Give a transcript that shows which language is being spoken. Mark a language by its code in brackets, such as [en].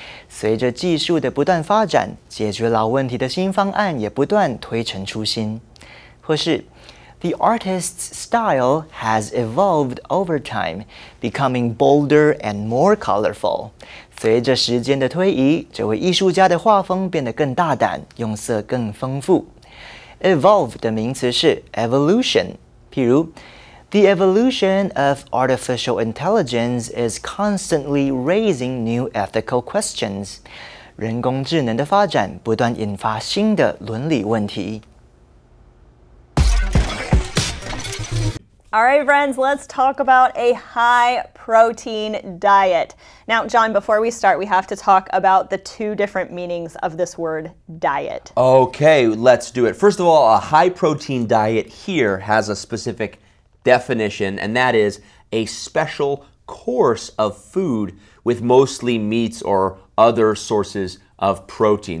[zh] 随着技术的不断发展，解决老问题的新方案也不断推陈出新。或是 [en] The artist's style has evolved over time, becoming bolder and more colorful. [zh] 随着时间的推移，这位艺术家的画风变得更大胆，用色更丰富。 [en] Evolve [zh] 的名词是 [en] evolution， [zh] 譬如 [en] The evolution of artificial intelligence is constantly raising new ethical questions. [zh] 人工智能的发展不断引发新的伦理问题。 [en] All right, friends, let's talk about a high protein diet. Now, John, before we start, we have to talk about the two different meanings of this word diet. Okay, let's do it. First of all, a high protein diet here has a specific definition, and that is a special course of food with mostly meats or other sources of protein.